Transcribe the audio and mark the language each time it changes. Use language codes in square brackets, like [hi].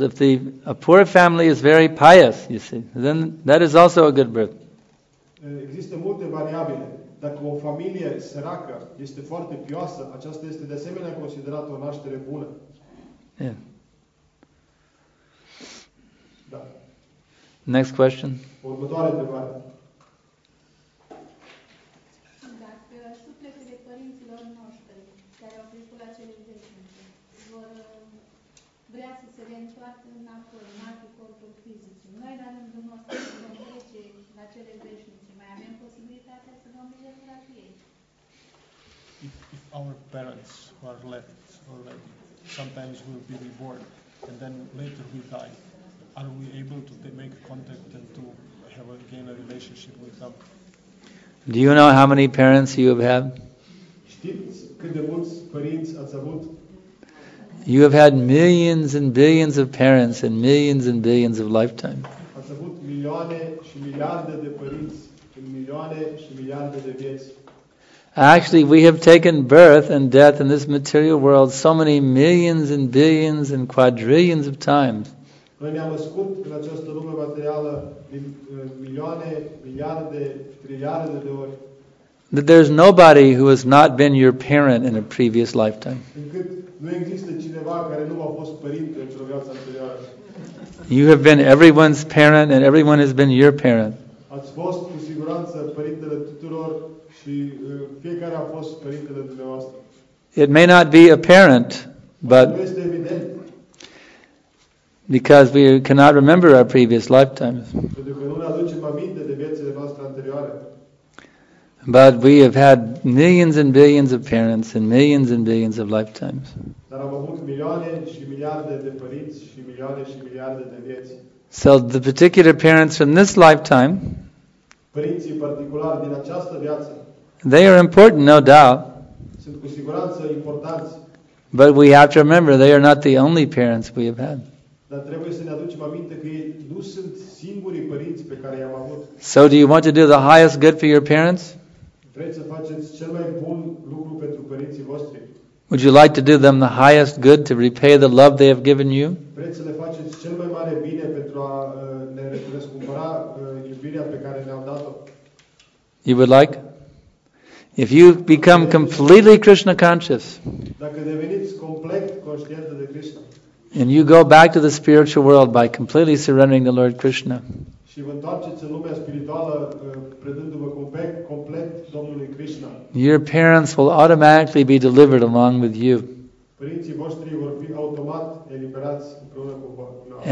[en] If a poor family is very pious, you see, then that is also a good birth. [ro] Există multe variabile. Dacă o familie săracă este foarte pioasă, aceasta este de asemenea considerată o naștere bună. [en] Yeah. [ro] Da. [en] Next question. [ro] Următoarea întrebare. Dacă sufletele părinților noștri care au trecut la cele veșnice vor vrea să se reîntoarcă înapoi, în alte corpuri fizice, noi la rândul nostru să vom trece la cele veșnice, mai avem posibilitatea să vom trece la ei? [en] If our parents who are left already, sometimes will be reborn and then later we die, are we able to make contact and to have again a relationship with them? Do you know how many parents you have had? [ro] Știți cât de mulți părinți ați avut? [en] You have had millions and billions of parents in millions and billions of lifetime. [ro] Ați avut milioane și miliarde de părinți în milioane și miliarde de vieți. [en] Actually, we have taken birth and death in this material world so many millions and billions and quadrillions of times. [ro] Noi ne-am născut în această lume materială din milioane, miliarde, triliarde de ori. [en] That there's nobody who has not been your parent in a previous lifetime. [ro] Încât nu există cine cineva care nu a fost părinte într-o viață anterioară. [en] You have been everyone's parent and everyone has been your parent. [ro] Ați fost cu siguranță părintele tuturor și fiecare a fost părintele dumneavoastră. [en] It may not be apparent, but [ro] nu este evident. [en] Because we cannot remember our previous lifetimes. [ro] Pentru că nu ne aducem aminte de viețile noastre anterioare. [en] But we have had millions and billions of parents and millions and billions of lifetimes. [ro] Dar am avut milioane și miliarde de părinți și milioane și miliarde de vieți. [en] So the particular parents from this lifetime, [ro] părinții particulari din această viață, [en] they are important, no doubt. [ro] Sunt cu siguranță importanți. [en] But we have to remember they are not the only parents we have had. [ro] Dar trebuie să ne aducem aminte că nu sunt singurii părinți pe care i-am avut. [en] So do you want to do the highest good for your parents? [ro] Vreți să faceți cel mai bun lucru pentru părinții voștri? [en] Would you like to do them the highest good to repay the love they have given you? [ro] Vreți să le faceți cel mai mare bine pentru a ne răscumpăra iubirea pe care ne-au dat-o? [en] You would like? If you become completely Krishna conscious, [ro] dacă deveniți complet conștient de Krishna, [en] and you go back to the spiritual world by completely surrendering to Lord Krishna, [ro] și vă întoarceți în lumea spirituală predându-vă complet Domnului Krishna, [en] your parents will automatically be delivered along with you. [ro] Părinții voștri vor fi automat eliberați împreună cu voi.